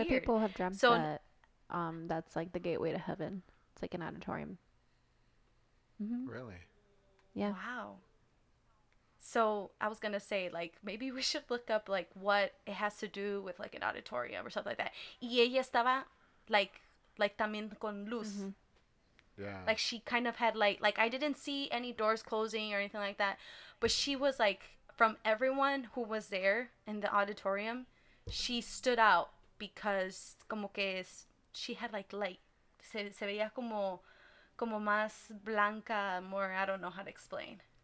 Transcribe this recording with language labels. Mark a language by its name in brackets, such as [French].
[English] of people have dreamt that, that's like the gateway to heaven. It's like an auditorium. Really? Yeah. Wow. So I was going to say, like, maybe we should look up, like, what it has to do with, like, an auditorium or something like that. [Spanish] Y ella estaba, [English] like, [Spanish] también con luz. [English] Yeah. Like, she kind of had, like, I didn't see any doors closing or anything like that. But she was, like, from everyone who was there in the auditorium, she stood out because, [Spanish] como que es, [English] she had, like, light. [Spanish] Se veía como más blanca, [English] more, I don't know how to explain.